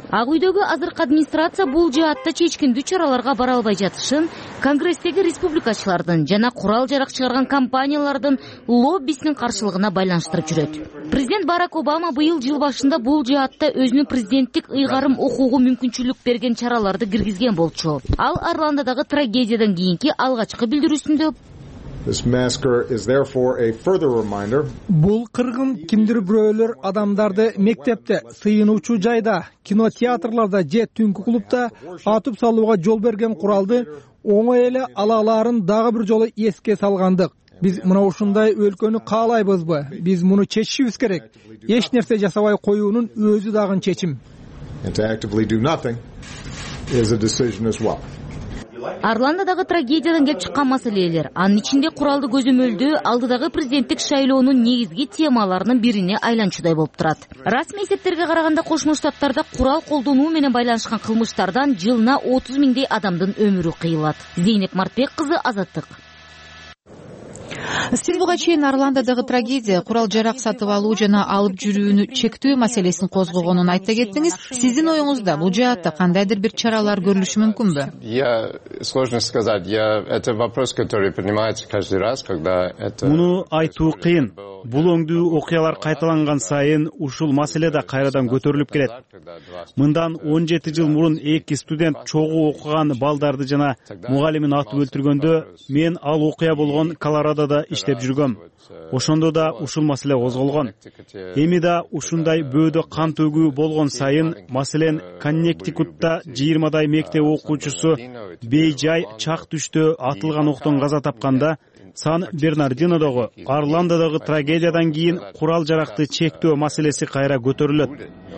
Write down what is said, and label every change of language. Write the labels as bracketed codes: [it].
[ky] Ак үйдөгү азыркы администрация бул жаатта чечкиндүү чараларга бара албай жатышын Конгресстеги республикачылардын жана курал жарак чыгарган компаниялардын лоббисинин каршылыгына байланыштырып жүрөт. Президент Барак Обама быйыл жыл башында бул жаатта өзүнө президенттик ыйгарым укугу мүмкүнчүлүк берген чараларды киргизген болчу. Ал Арландадагы трагедиядан кийинки алгачкы билдирүүсүндө [en] This massacre is therefore a further reminder. [ky] Бул кыргын кимдир бирөөлөр адамдарды мектепте, сыйынуучу жайда, кинотеатрларда же түнкү клубда атып салууга жол берген куралды оңой эле ала аларын дагы бир жолу эске салгандык. Биз мына ушундай өлкөнү каалайбызбы? Биз муну чечишибиз керек. Эч нерсе жасабай коюунун өзү дагы чечим. [en] To actively do nothing is a decision as well. [ky] Арландадагы трагедиядан келип чыккан маселелер, анын ичинде куралды көзөмөлдөө алдыдагы президенттик шайлоонун негизги темаларынын бирине айланчудай болуп турат. Расмий эсептерге караганда Кошмо Штаттарда курал колдонуу менен байланышкан кылмыштардан жылына 30 миңдей адамдын өмүрү кыйылат. Зейнеп Мартбек кызы, Азаттык. Сиз буга чейин Арландадагы трагедия, курал жарак сатып алуу жана алып жүрүүнү чектөө маселесин козгогонун айта кеттиңиз. Сиздин оюңузда бул жаатта кандайдыр бир чаралар көрүлүшү мүмкүнбү? [ru] Я сложно сказать. Я это вопрос, который поднимается каждый раз, когда это [ky] Муну айтуу кыйын. Бул оңдуу окуялар кайталанган сайын ушул маселе да кайрадан көтөрүлүп келет. Мындан 17 жыл мурун эки студент чогуу окуган балдарды жана мугалимин атып өлтүргөндө мен ал окуя болгон Колорадодо иштеп жүргөм. Ошондо да ушул маселе козголгон. Эми да ушундай бөөдө кан төгүү болгон сайын, маселен, Коннектикутта 20 мектеп окуучусу бейжай чак түштө атылган октон каза тапканда Сан-Бернардинодогу Арландадагы трагедиядан кийин курал жаракты чектөө маселеси кайра көтөрүлөт.